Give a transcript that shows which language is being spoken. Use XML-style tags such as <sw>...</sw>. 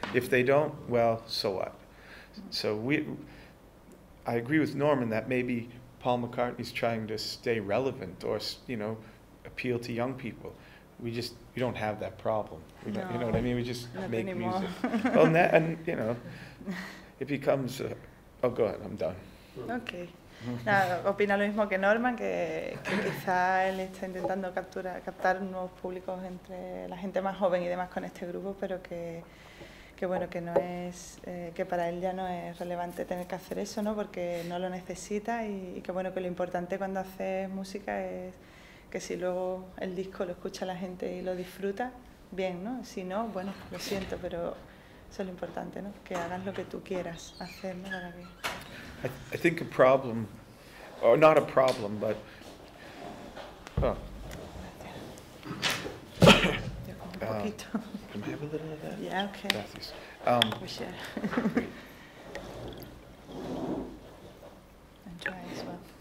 <en>If they don't, well, so what? So I agree with Norman that maybe Paul McCartney's trying to stay relevant or, you know, appeal to young people. We don't have that problem. You know what I mean? We just make anymore. Music. Well, and you know, it becomes, oh, go ahead, I'm done. Okay.</en> <es>Nada, opina lo mismo que Norman, que quizá él está intentando captar nuevos públicos entre la gente más joven y demás con este grupo, pero que bueno, que no es, que para él ya no es relevante tener que hacer eso, ¿no? Porque no lo necesita y que bueno, que lo importante cuando haces música es que si luego el disco lo escucha la gente y lo disfruta, bien, ¿no? Si no, bueno, lo siento, pero eso es lo importante, ¿no? Que hagas lo que tú quieras hacer, ¿no? Para que...</es> <en>I think a problem, or not a problem, but can I have a little of that? Yeah, okay.</en> <es>Gracias.</es> <en>We share. Enjoy as well.</en>